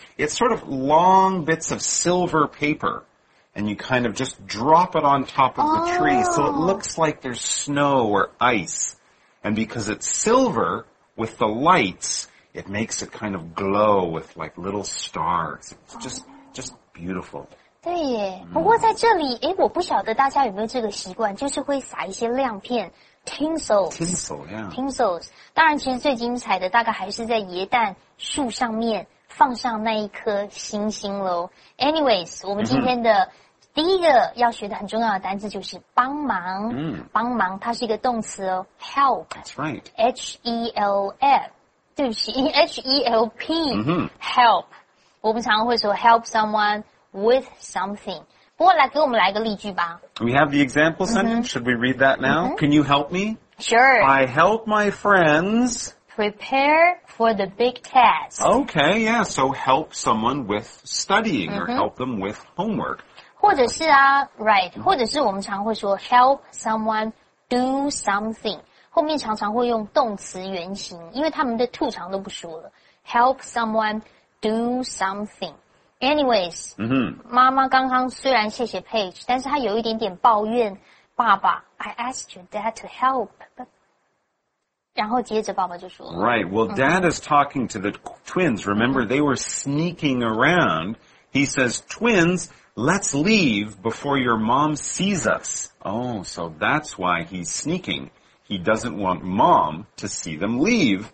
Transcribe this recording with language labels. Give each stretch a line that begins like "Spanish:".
English: It's sort of long bits of silver paper, and you kind of just drop it on top of the tree, so it looks like there's snow or ice. And because it's silver with the lights, it makes it kind of glow with, like, little stars. It's just beautiful.
Chinese: 对耶，不过在这里，诶，我不晓得大家有没有这个习惯，就是会撒一些亮片。
English: Tinsels.
Chinese: 当然其实最精彩的大概还是在椰蛋树上面放上那一颗星星咯。 Anyways, 我们今天的第一个要学的很重要的单字就是帮忙。帮忙它是一个动词哦 ,help.
English: That's right. H-E-L-F. 对不起 ,H-E-L-P.、Help.
Chinese: 我们常常会说
English: help someone with something.
Chinese: 不过来给我们来个例句吧。
English: We have the example sentence.、Should we read that now?、Can you help me? Sure. I help my friends... Prepare for the big test. Okay, yeah. So help someone with studying、or help them with homework.
Chinese: 或者是啊 ,right.、或者是我们常会说
English: help someone do something.
Chinese: 后面常常会用动词原形因为他们的 to 常都不说了。
English: Help someone do something.
Chinese: Anyways,、妈妈刚刚虽然谢谢 Paige, 但是她有一点点抱怨爸爸
English: I asked your dad to help.
Chinese: 然后接着爸爸就说
English: Right, well,、dad is talking to the twins. Remember,、they were sneaking around. He says, twins, let's leave before your mom sees us. Oh, so that's why he's sneaking. He doesn't want mom to see them leave.